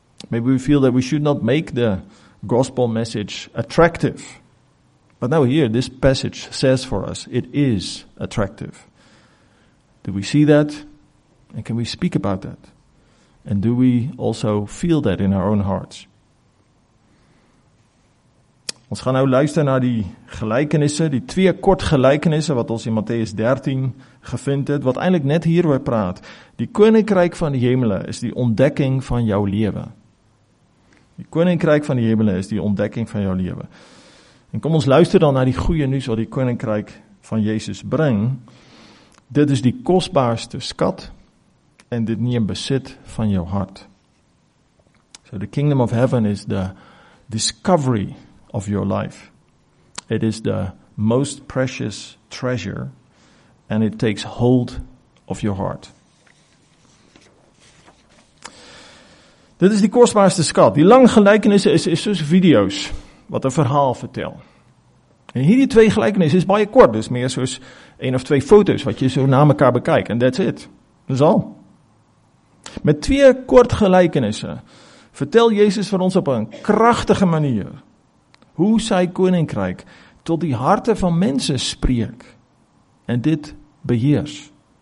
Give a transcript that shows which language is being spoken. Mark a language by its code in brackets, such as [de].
[en] Maybe we feel that we should not make the gospel message attractive. But now here, this passage says for us, it is attractive. Do we see that? And can we speak about that? And do we also feel that in our own hearts? [af] Ons gaan nou luister na die gelykenisse, die twee kort gelykenisse wat ons in Matteus 13 gevind het, wat eintlik net hieroor praat. Die koninkryk van die hemele is die ontdekking van jou lewe. Die koninkryk van die hemele is die ontdekking van jou lewe. En kom ons luister dan na die goeie nuus wat die koninkryk van Jesus bring. Dit is die kosbaarste skat en dit neem besit van jou hart. [en] So the kingdom of heaven is the discovery of your life. It is the most precious treasure and it takes hold of your heart. [af] Dit is die kostbaarste skat. Die lang gelykenisse is soos video's wat 'n verhaal vertel. En hierdie twee gelykenisse is baie kort, dis meer soos een of twee foto's wat jy so na mekaar bekyk [en] and that's it. [af] Dis al. Met twee kort gelykenisse vertel Jesus vir ons op 'n kragtige manier hoe sy koninkryk tot die harte van mense spreek en dit beheers.